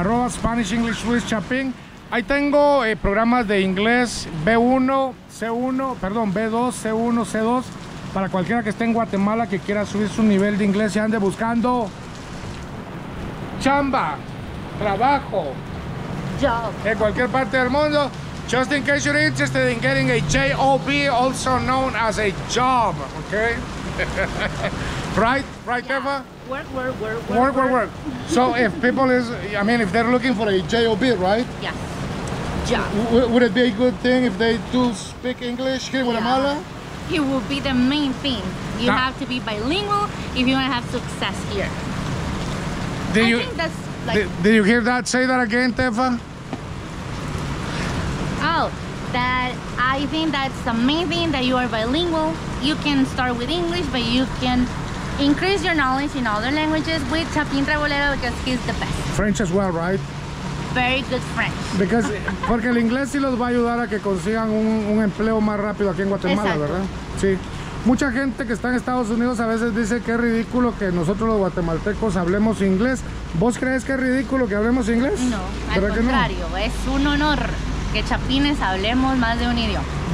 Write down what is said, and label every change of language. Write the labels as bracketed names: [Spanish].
[Spanish] @SpanishEnglishLuisChapín. Ahí tengo programas de inglés B1, C1, perdón, B2, C1, C2. Para cualquiera que esté en Guatemala que quiera subir su nivel de inglés y ande buscando chamba, trabajo, [English] job, [Spanish] en cualquier parte del mundo, [English] just in case you're interested in getting a J-O-B, also known as a job, ok? Right, yeah. Eva? Work. So if people is, I mean, if they're looking for a J-O-B, right? Yes, job. Would it be a good thing if they do speak English here in Guatemala? It will be the main thing. You have to be bilingual if you want to have success here. Did you hear that? Say that again, Tefa. Oh, that I think that's the main thing, that you are bilingual. You can start with English, but you can increase your knowledge in other languages with Chapin Trebolero, because he's the best. French as well, right? very good French. [Spanish] Because, porque el inglés sí los va a ayudar a que consigan un empleo más rápido aquí en Guatemala, exacto, ¿verdad? Sí. Mucha gente que está en Estados Unidos a veces dice que es ridículo que nosotros los guatemaltecos hablemos inglés. ¿Vos crees que es ridículo que hablemos inglés? No, al contrario, no? Es un honor que chapines hablemos más de un idioma.